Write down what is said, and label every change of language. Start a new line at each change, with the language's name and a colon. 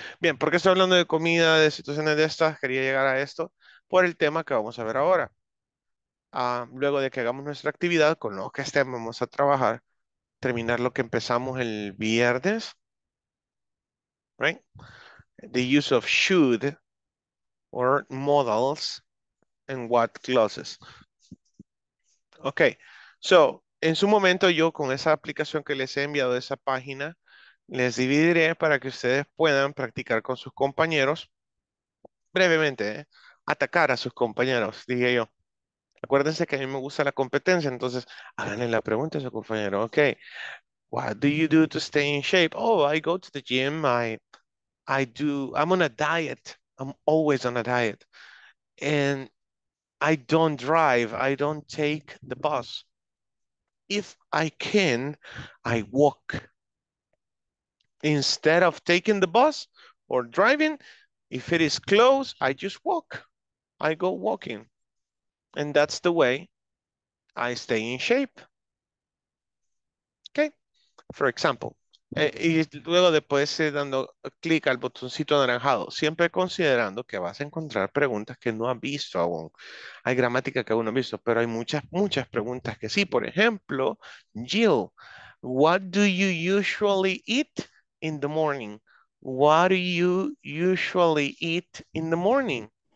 Spanish: Bien, ¿por qué estoy hablando de comida, de situaciones de estas? Quería llegar a esto por el tema que vamos a ver ahora. Luego de que hagamos nuestra actividad, con lo que estemos, vamos a trabajar, terminar lo que empezamos el viernes, right?
English: The use of should or modals and what clauses. Okay, so...
Spanish: En su momento, yo con esa aplicación que les he enviado de esa página, les dividiré para que ustedes puedan practicar con sus compañeros, brevemente, ¿eh? Atacar a sus compañeros, dije yo. Acuérdense que a mí me gusta la competencia, entonces, háganle la pregunta a su compañero.
English: Ok, what do you do to stay in shape? Oh, I go to the gym, I'm on a diet, I'm always on a diet. And I don't drive, I don't take the bus. If I can, I walk. Instead of taking the bus or driving, if it is close, I just walk. I go walking. And that's the way I stay in shape. Okay? For example,
Spanish: y luego después dando clic al botoncito anaranjado, siempre considerando que vas a encontrar preguntas que no has visto aún. Hay gramática que aún no has visto, pero hay muchas, muchas preguntas que sí. Por ejemplo,
English: Jill, what do you usually eat in the morning? What do you usually eat in the morning?